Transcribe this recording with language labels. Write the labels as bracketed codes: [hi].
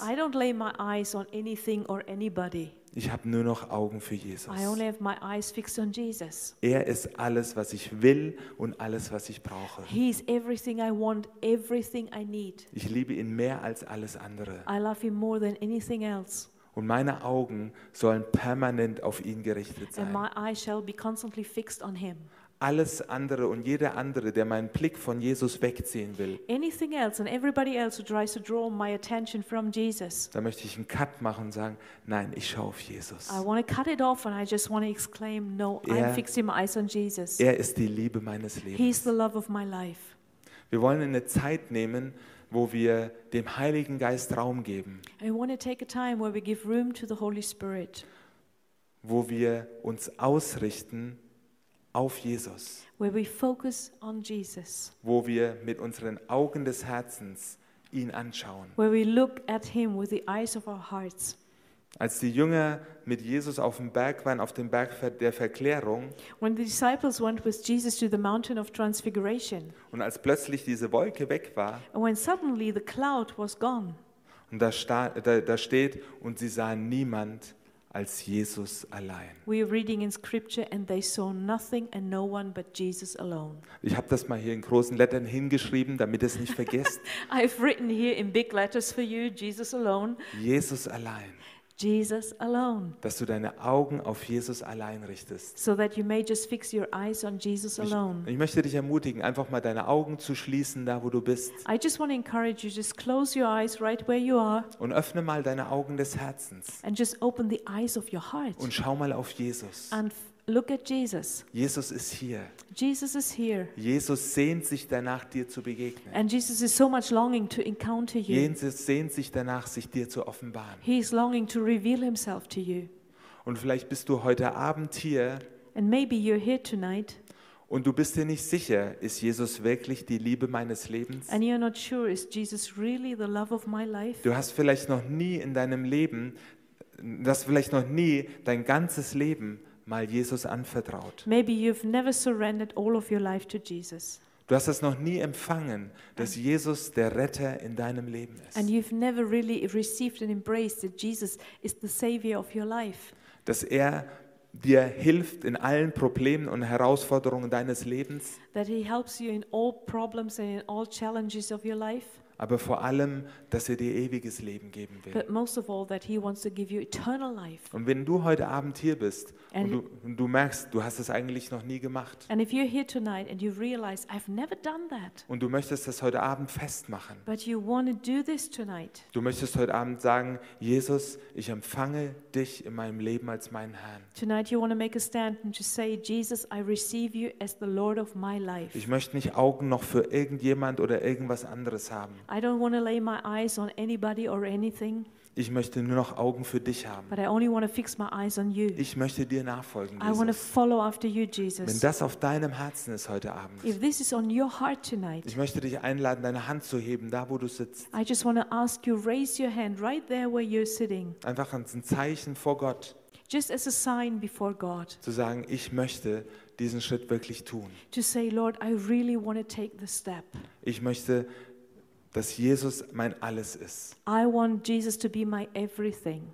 [en] I don't lay my eyes on anything or anybody. [de] Ich habe nur noch Augen für Jesus. [en] I only have my eyes fixed on Jesus. [de] Er ist alles, was ich will und alles, was ich brauche. [en] He is everything I want, everything I need. [de] Ich liebe ihn mehr als alles andere. [en] I love him more than anything else. [de] Und meine Augen sollen permanent auf ihn gerichtet sein. [en] And my eyes shall be constantly fixed on him. [de] Alles andere und jeder andere, der meinen Blick von Jesus wegziehen will. [en] Anything else and everybody else who tries to draw my attention from Jesus. [de] Da möchte ich einen Cut machen und sagen, nein, ich schaue auf Jesus. [en] I want to cut it off and I just want to exclaim, no, I'm fixing my eyes on Jesus. [de] Er ist die Liebe meines Lebens. [en] He's the love of my life. [de] Wir wollen eine Zeit nehmen, wo wir dem Heiligen Geist Raum geben. [en] I want to take a time where we give room to the Holy Spirit. [de] Wo wir uns ausrichten auf Jesus. [en] Where we focus on Jesus. [de] Wo wir mit unseren Augen des Herzens ihn anschauen. [en] Where we look at him with the eyes of our hearts. [de] Als die Jünger mit Jesus auf dem Berg waren, auf dem Berg der Verklärung. [en] When the disciples went with Jesus to the mountain of transfiguration. [de] Und als plötzlich diese Wolke weg war. [en] And when suddenly the cloud was gone. [de] Und da steht und sie sahen niemand als Jesus allein. [en] We are reading in scripture and they saw nothing and no one but Jesus alone. [de] Ich habe das mal hier in großen Lettern hingeschrieben, damit es nicht vergesst. [en] I've written here in big letters for you, Jesus alone. [de] Jesus allein. [en] Jesus alone. [de] Dass du deine Augen auf Jesus allein richtest. [en] So that you may just fix your eyes on Jesus alone. [de] Ich möchte dich ermutigen, einfach mal deine Augen zu schließen, da wo du bist. [en] I just want to encourage you, just close your eyes right where you are. [de] Und öffne mal deine Augen des Herzens. [en] And just open the eyes of your heart. [de] Und schau mal auf Jesus. [en] And look at Jesus. [de] Jesus ist hier. [en] Jesus is here. [de] Jesus sehnt sich danach, dir zu begegnen. [en] And Jesus is so much longing to encounter you. [de] Jesus sehnt sich danach, sich dir zu offenbaren. [en] He is longing to reveal himself to you. [de] Und vielleicht bist du heute Abend hier. [en] And maybe you're here tonight. [de] Und du bist dir nicht sicher, ist Jesus wirklich die Liebe meines Lebens? [en] And you're not sure, is Jesus really the love of my life? [de] Du hast vielleicht noch nie in deinem Leben, das vielleicht noch nie dein ganzes Leben mal Jesus anvertraut. [en] Maybe you've never surrendered all of your life to Jesus. [de] Du hast es noch nie empfangen, dass Jesus der Retter in deinem Leben ist. [en] And you've never really received and embraced that Jesus is the savior of your life. [de] Dass er dir hilft in allen Problemen und Herausforderungen deines Lebens. [en] That he helps you in all problems and in all challenges of your life. [de] Aber vor allem, dass er dir ewiges Leben geben will. [en] But most of all, that he wants to give you eternal life. [de] Und wenn du heute Abend hier bist und du merkst, du hast es eigentlich noch nie gemacht. [en] And if you're here tonight and you realize I've never done that. [de] Und du möchtest das heute Abend festmachen. [en] But you want to do this tonight. [de] Du möchtest heute Abend sagen, Jesus, ich empfange dich in meinem Leben als meinen Herrn. [en] Tonight you want to make a stand and just say, Jesus, I receive you as the Lord of my life. [de] Ich möchte nicht Augen noch für irgendjemand oder irgendwas anderes haben. [en] I don't want to lay my eyes on anybody or anything. [de] Ich möchte nur noch Augen für dich haben. [en] But I only want to fix my eyes on you. [de] Ich möchte dir nachfolgen, Jesus. [en] I want to follow after you, Jesus. [de] Wenn das auf deinem Herzen ist heute Abend. [en] If this is on your heart tonight. [de] Ich möchte dich einladen, deine Hand zu heben, da wo du sitzt. [en] I just want to ask you, raise your hand right there where you're sitting. [de] Einfach als ein Zeichen vor Gott. [en] Just as a sign before God. [de] Zu sagen, ich möchte diesen Schritt wirklich tun. [en] To say, Lord, I really want to take the step. [de] Ich möchte, dass Jesus mein Alles ist. [en] I want Jesus to be my everything.